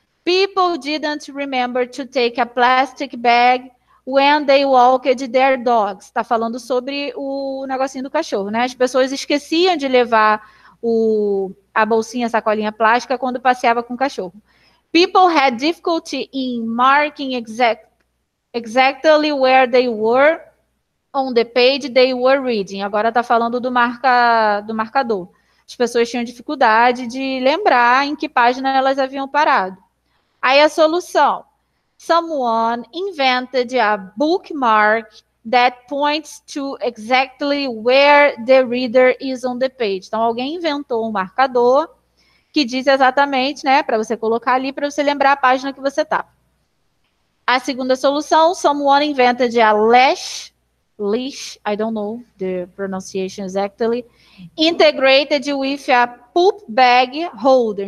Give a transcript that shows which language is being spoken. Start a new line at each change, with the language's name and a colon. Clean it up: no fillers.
English: People didn't remember to take a plastic bag when they walked their dogs.
Portuguese: Está falando sobre o negocinho do cachorro, né? As pessoas esqueciam de levar a bolsinha, a sacolinha plástica, quando passeava com o cachorro.
English: People had difficulty in marking exactly where they were on the page they were reading.
Portuguese: Agora está falando do marcador. As pessoas tinham dificuldade de lembrar em que página elas haviam parado. Aí a solução.
English: Someone invented a bookmark that points to exactly where the reader is on the page.
Portuguese: Então, alguém inventou um marcador que diz exatamente, né, para você colocar ali, para você lembrar a página que você está. A segunda solução,
English: someone invented a leash, I don't know the pronunciation exactly, integrated with a poop bag holder.